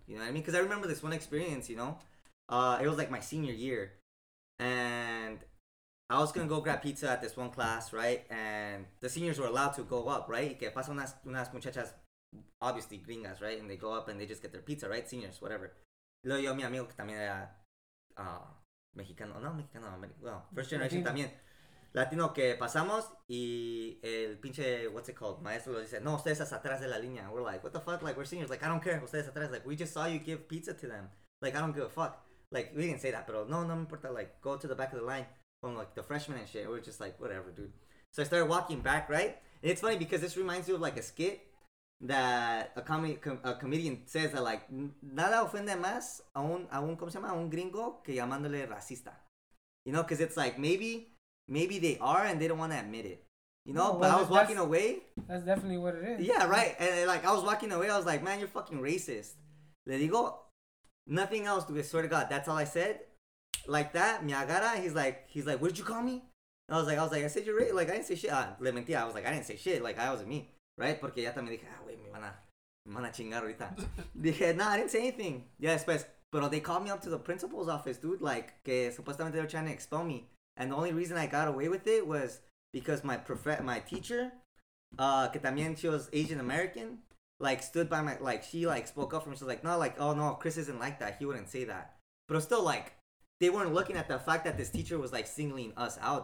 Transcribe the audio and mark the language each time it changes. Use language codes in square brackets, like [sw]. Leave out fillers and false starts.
[en] You know what I mean? Because I remember this one experience, you know? It was like my senior year. And I was going to go grab pizza at this one class, right? And the seniors were allowed to go up, right? Que pasan unas muchachas, obviously gringas, right? And they go up and they just get their pizza, right? Seniors, whatever. [es] Luego yo, mi amigo, que también era mexicano. No, mexicano. Well, first generation Latino. También. Latino, que pasamos. Y el pinche, what's it called? Maestro lo dice, no, ustedes hasta atrás de la línea. [en] We're like, what the fuck? Like, we're seniors. Like, I don't care. Ustedes atrás. Like, we just saw you give pizza to them. Like, I don't give a fuck. Like, we didn't say that, pero no, no me importa. Like, go to the back of the line. From like the freshman and shit, we were just like, whatever, dude. So I started walking back, right? And it's funny because this reminds you of like a skit that a comedian says that like nada ofende más a un ¿cómo se llama? A un gringo que llamándole racista, you know? Because it's like maybe they are and they don't want to admit it, you know? No, but well, I was walking away. That's definitely what it is. Yeah, right. And like I was walking away, I was like, man, you're fucking racist. [es] Le digo, nothing else. [en] Dude, I swear to God, that's all I said. Like that, me agarra, he's like, what did you call me? I was like, I said you're right. Like, I didn't say shit. Le mentí, I was like, I didn't say shit. Like, I wasn't me, right? [es] Porque ya también dije, ah, wey, me van a chingar ahorita. [en] Dije, nah, I didn't say anything. Yeah, después, pero they called me up to the principal's office, dude. Like, que supuestamente they were trying to expel me. And the only reason I got away with it was because my teacher, que también she was Asian American, like, stood by my, like, she, like, spoke up for me. She was like, no, like, oh, no, Chris isn't like that. He wouldn't say that. But still, like, they weren't looking at the fact that this teacher was like singling us out.